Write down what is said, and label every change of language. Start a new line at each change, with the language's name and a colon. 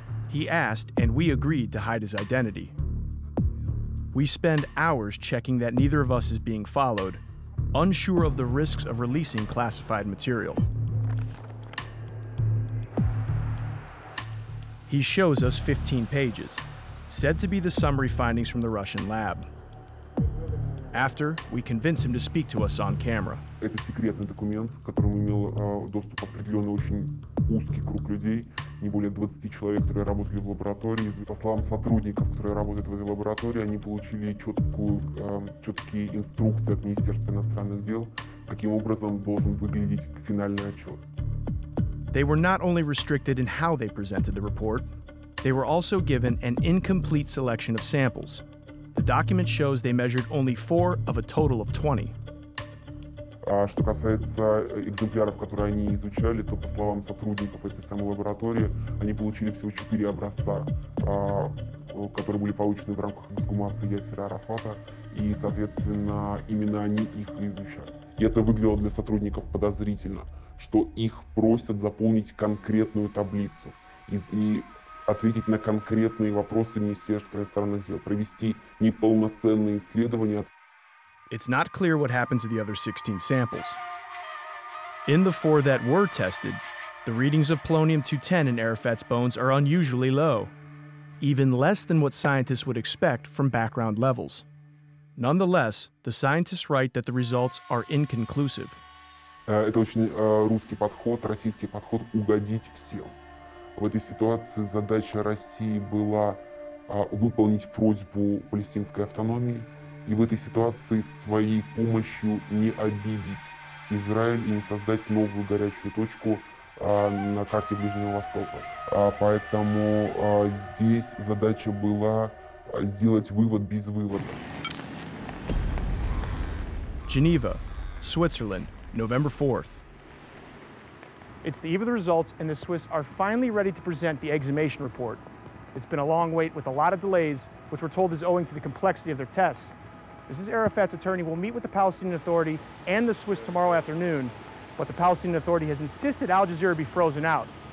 English: He asked, and we agreed to hide his identity. We spend hours checking that neither of us is being followed, unsure of the risks of releasing classified material. He shows us 15 pages, said to be the summary findings from the Russian lab. After, we convince him to speak to us on camera.
Russian: Это секретный документ, к которому имел доступ определённый очень узкий круг людей, не более 20 человек, которые работали в лаборатории. По словам сотрудников, которые работают в этой лаборатории, они получили чёткие инструкции от Министерства иностранных дел, каким образом должен выглядеть финальный отчёт.
English: They were not only restricted in how they presented the report, they were also given an incomplete selection of samples. The document shows they measured only 4 of a total of 20.
Russian: Что касается экземпляров, которые они изучали, то, по словам сотрудников этой самой лаборатории, они получили всего 4 образца, которые были получены в рамках эксгумации Ясера Арафата, и, соответственно, именно они их изучали. И это выглядело для сотрудников подозрительно. Что их просят заполнить конкретную таблицу и ответить на конкретные вопросы Министерства иностранных дел, провести неполноценные исследования.
English: It's not clear what happened to the other 16 samples. In the 4 that were tested, the readings of polonium-210 in Arafat's bones are unusually low, even less than what scientists would expect from background levels. Nonetheless, the scientists write that the results are inconclusive.
Russian: Это очень русский подход, российский подход – угодить всем. В этой ситуации задача России была выполнить просьбу палестинской автономии и в этой ситуации своей помощью не обидеть Израиль и не создать новую горячую точку на карте Ближнего Востока. Поэтому здесь задача была сделать вывод без вывода.
English: Geneva, Switzerland, November 4th. It's the eve of the results, and the Swiss are finally ready to present the exhumation report. It's been a long wait with a lot of delays, which we're told is owing to the complexity of their tests. Mrs. Arafat's attorney will meet with the Palestinian Authority and the Swiss tomorrow afternoon, but the Palestinian Authority has insisted Al Jazeera be frozen out.